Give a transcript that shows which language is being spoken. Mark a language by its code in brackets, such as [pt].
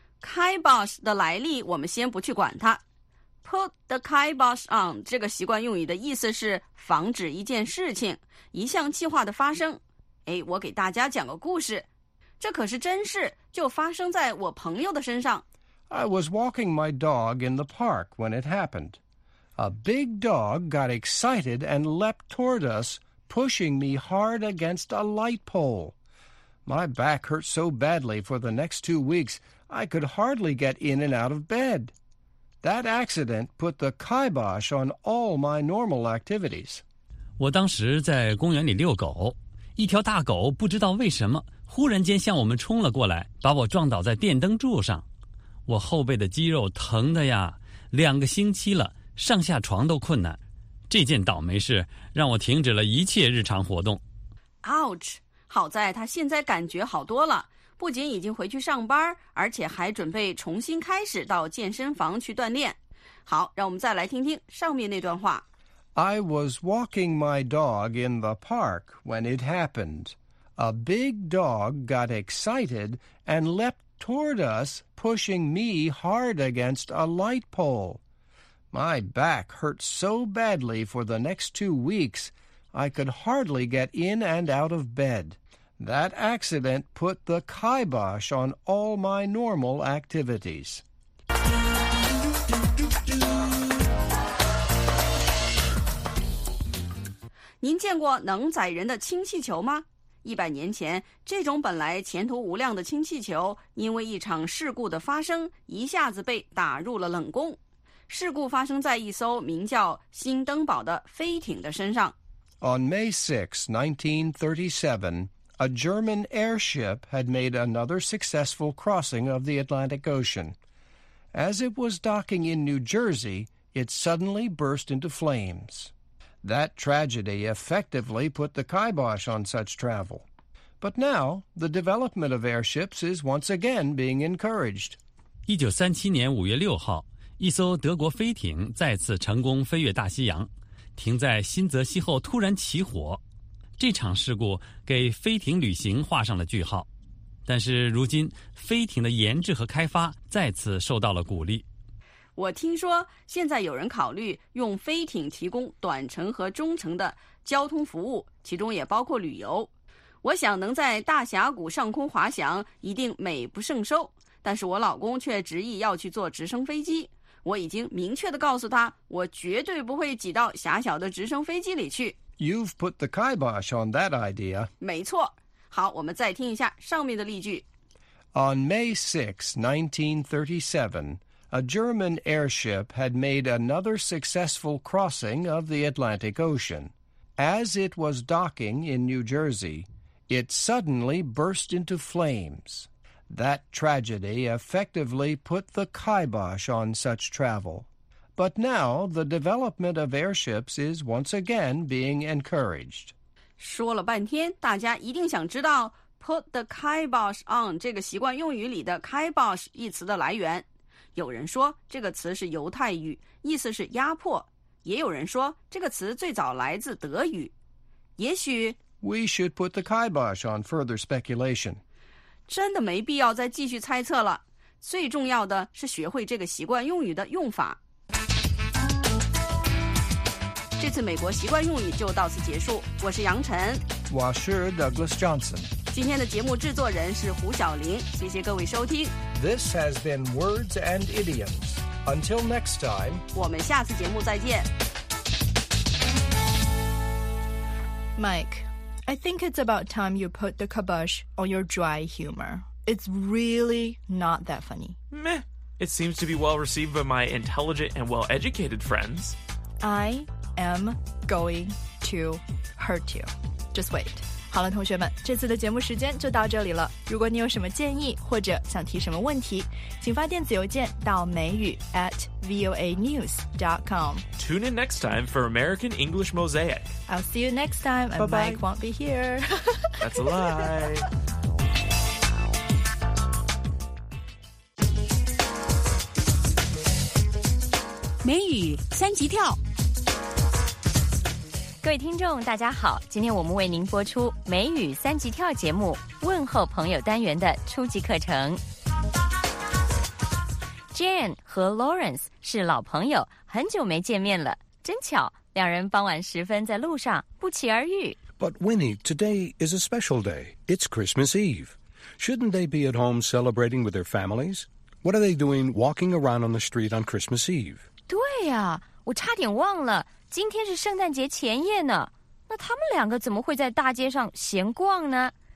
[zh] Kibosh 的来历我们先不去管它。 [en] Put the kibosh on [zh] 这个习惯用语的意思是防止一件事情、一项计划的发生。哎，我给大家讲个故事，这可是真事，就发生在我朋友的身上。 [en] I was walking my dog in the park when it happened. A big dog got excited and leapt toward us, pushing me hard against a light pole. My back hurt so badly for the next 2 weeks, I could hardly get in and out of bed. That accident put the kibosh on all my normal activities. [zh] 我当时在公园里遛狗，一条大狗不知道为什么忽然间向我们冲了过来，把我撞倒在电灯柱上。我后背的肌肉疼得呀，两个星期了，上下床都困难。这件倒霉事让我停止了一切日常活动。 [en] Ouch！ [zh] 好在他现在感觉好多了，不仅已经回去上班，而且还准备重新开始到健身房去锻炼。好，让我们再来听听上面那段话。 [en] I was walking my dog in the park when it happened. A big dog got excited and leapt toward us, pushing me hard against a light pole. My back hurt so badly for the next 2 weeks, I could hardly get in and out of bed. That accident put the kibosh on all my normal activities. [zh] 您见过能载人的氢气球吗？100年前，这种本来前途无量的氢气球，因为一场事故的发生，一下子被打入了冷宫。事故发生在一艘名叫“新登堡”的飞艇的身上。 [en] On May 6, 1937, a German airship had made another successful crossing of the Atlantic Ocean. As it was docking in New Jersey, it suddenly burst into flames. That tragedy effectively put the kibosh on such travel. But now, the development of airships is once again being encouraged. [zh] 1937年5月6号，一艘德国飞艇再次成功飞越大西洋，停在新泽西后突然起火。这场事故给飞艇旅行画上了句号。但是如今，飞艇的研制和开发再次受到了鼓励。我听说现在有人考虑用飞艇提供短程和中程的交通服务，其中也包括旅游。我想能在大峡谷上空滑翔一定美不胜收，但是我老公却执意要去坐直升飞机。我已经明确地告诉他，我绝对不会挤到狭小的直升飞机里去。 [en] You've put the kibosh on that idea. [zh] 没错。好，我们再听一下上面的例句。 [en] On May 6, 1937,A German airship had made another successful crossing of the Atlantic Ocean. As it was docking in New Jersey, it suddenly burst into flames. That tragedy effectively put the kibosh on such travel. But now the development of airships is once again being encouraged. [zh] 说了半天，大家一定想知道 [en] put the kibosh on [zh] 这个习惯用语里的 kibosh 一词的来源。有人说这个词是犹太语，意思是压迫，也有人说这个词最早来自德语。也许 [en] We should put the kibosh on further speculation. [zh] 真的没必要再继续猜测了，最重要的是学会这个习惯用语的用法。这次美国习惯用语就到此结束，我是杨晨，我是 Douglas Johnson。今天的节目制作人是胡晓玲，谢谢各位收听。 [en] This has been Words and Idioms. Until next time, [zh] 我们下次节目再见。 [en] Mike, I think it's about time you put the kibosh on your dry humor. It's really not that funny. Meh, it seems to be well received by my intelligent and well-educated friends. I am going to hurt you. Just wait. [zh] 好了，同学们，这次的节目时间就到这里了。如果你有什么建议或者想提什么问题，请发电子邮件到美语@voanews.com. [en] Tune in next time for American English Mosaic. I'll see you next time. And Mike won't be here. That's a lie. [zh] 美语三级跳。各位听众大家好，今天我们为您播出美语三级跳节目问候朋友单元的初级课程。 Jane 和 Lawrence 是老朋友，很久没见面了，真巧，两人傍晚时分在路上不期而遇。 [en] But Winnie, today is a special day. It's Christmas Eve. Shouldn't they be at home celebrating with their families? What are they doing walking around on the street on Christmas Eve? [zh] 对呀，我差点忘了，今天是圣诞节前夜呢。那他们两个怎么会在大街上闲逛呢？